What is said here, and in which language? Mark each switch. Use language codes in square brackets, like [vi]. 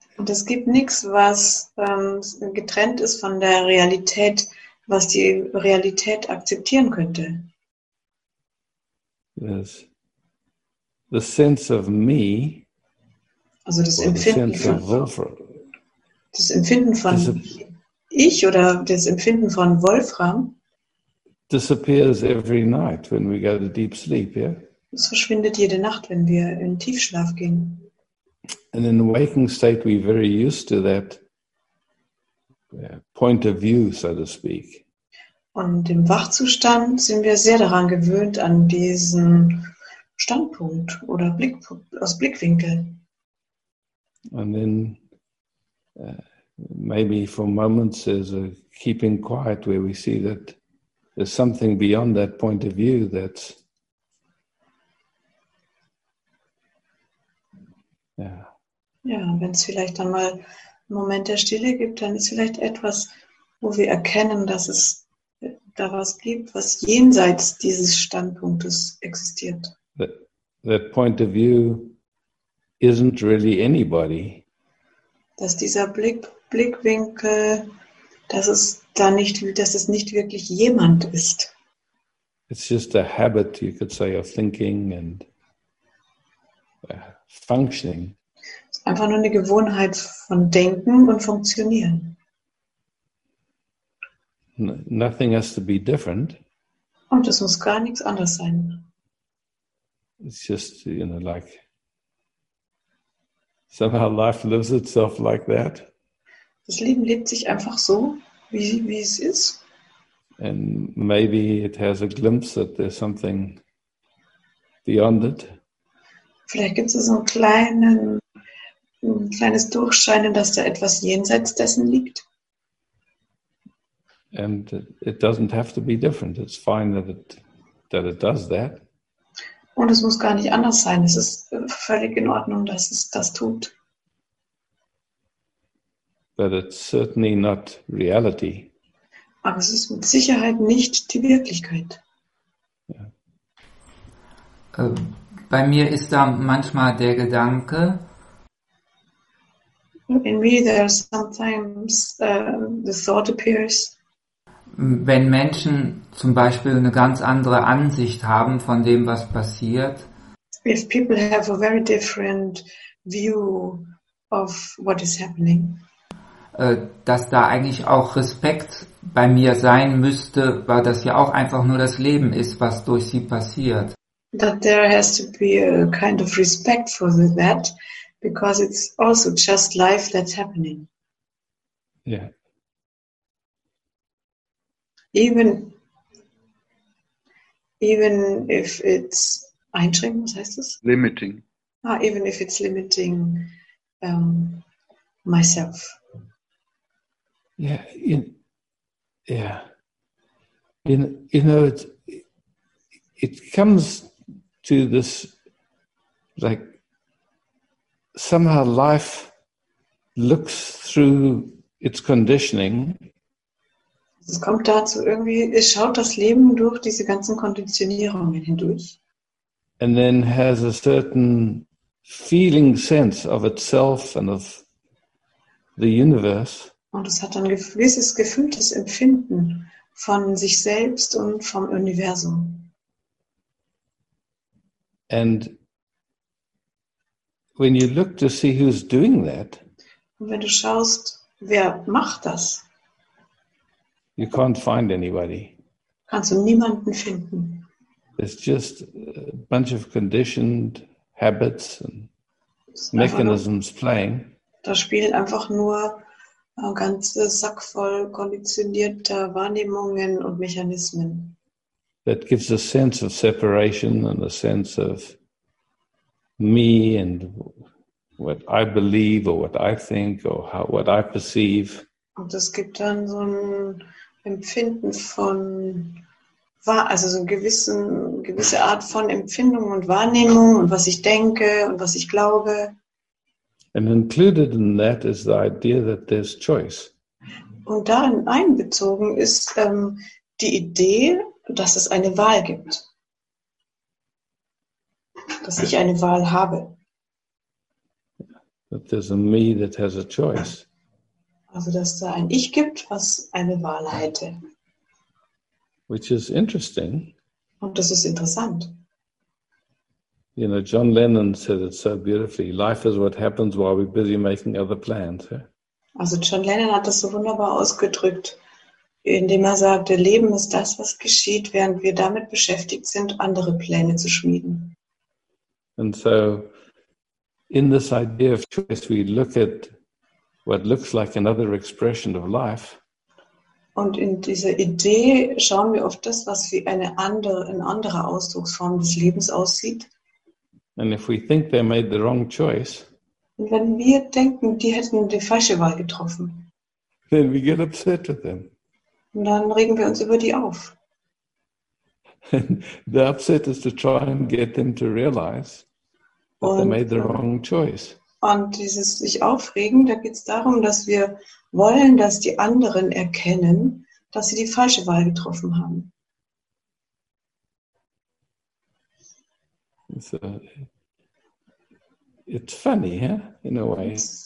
[de] Und es gibt nichts, was getrennt ist von der Realität, was die Realität akzeptieren könnte. [en] There's the sense of me. [de] Also das Empfinden von Wolfram. Das Empfinden von ich oder das Empfinden von Wolfram. [en] Disappears every night when we go to deep sleep, yeah? [de] Es verschwindet jede Nacht, wenn wir in Tiefschlaf gehen. [en] And in the waking state we're very used to that point of view, so to speak. [de] Und im Wachzustand sind wir sehr daran gewöhnt, an diesen Standpunkt oder Blick, aus Blickwinkel. [en] And then maybe for moments there's a keeping quiet where we see that there's something beyond that point of view that's [de] Ja, wenn es vielleicht dann mal einen Moment der Stille gibt, dann ist vielleicht etwas, wo wir erkennen, dass es da was gibt, was jenseits dieses Standpunktes existiert. [en] That point of view isn't really anybody. [de] Dass dieser Blickwinkel, dass es nicht wirklich jemand ist. [en] It's just a habit, you could say, of thinking and functioning. [de] Einfach nur eine Gewohnheit von Denken und Funktionieren. [en] Nothing has to be different. [de] Und es muss gar nichts anderes sein. [en] It's just, you know, like somehow life lives itself like that. [de] Das Leben lebt sich einfach so, wie es ist. [en] And maybe it has a glimpse that there's something beyond it. [de] Vielleicht gibt es so einen kleinen ein kleines Durchscheinen, dass da etwas jenseits dessen liegt. [en] And it doesn't have to be different. It's fine that it does that. [de] Und es muss gar nicht anders sein. Es ist völlig in Ordnung, dass es das tut. [en] But it's certainly not reality. [de] Aber es ist mit Sicherheit nicht die Wirklichkeit. Ja. Bei mir ist da manchmal der Gedanke, [en] in me there are sometimes the thought appears. [de] Wenn Menschen zum Beispiel eine ganz andere Ansicht haben von dem, was passiert. [en] If people have a very different view of what is happening. [de] Dass da eigentlich auch Respekt bei mir sein müsste, weil das ja auch einfach nur das Leben ist, was durch sie passiert. [en] That there has to be a kind of respect for that. Because it's also just life that's happening. Yeah. Even if it's [de] einschränkend, was heißt das? [en] Limiting. Even if it's limiting myself. Yeah. You know, it comes to this, like, somehow life looks through its conditioning. [de] Es kommt dazu irgendwie, es schaut das Leben durch diese ganzen Konditionierungen hindurch. [en] And then has a certain feeling sense of itself and of the universe. [de] Und es hat ein gewisses gefühltes Empfinden von sich selbst und vom Universum. [en] And when you look to see who's doing that, [de] und wenn du schaust, wer macht das, [en] you can't find anybody. [de] Kannst du niemanden finden. [en] It's just a bunch of conditioned habits and mechanisms playing. [de] Da spielt einfach nur ein ganzer Sack voll konditionierter Wahrnehmungen und Mechanismen. [en] that gives a sense of separation and a sense of me and what I believe or what I think or how, what I perceive. [de] Und es gibt dann so ein Empfinden von, also so eine gewisse Art von Empfindung und Wahrnehmung und was ich denke und was ich glaube. [en] And included in that is the idea that there's choice. [de] Und darin einbezogen ist die Idee, dass es eine Wahl gibt. Dass ich eine Wahl habe. [en] That there's a me that has a choice. [de] Also, dass da ein Ich gibt, was eine Wahl hätte. [en] Which is interesting. [de] Und das ist interessant. [en] You know, John Lennon said it so beautifully. Life is what happens while we're busy making other plans. [de] Also John Lennon hat das so wunderbar ausgedrückt, indem er sagte, Leben ist das, was geschieht, während wir damit beschäftigt sind, andere Pläne zu schmieden. [en] And so, in this idea of choice, we look at what looks like another expression of life. [de] Und in dieser Idee schauen wir auf das, was wie eine andere Ausdrucksform des Lebens aussieht. [en] And if we think they made the wrong choice, [de] und wenn wir denken, die hätten die falsche Wahl getroffen, [en] then we get upset with them. [de] Und dann regen wir uns über die auf. [en] And the upset is to try and get them to realize that they made the wrong choice. [de] Und dieses sich aufregen, da geht es darum, dass wir wollen, dass die anderen erkennen, dass sie die falsche Wahl getroffen haben. [en] It's funny, yeah, in a way.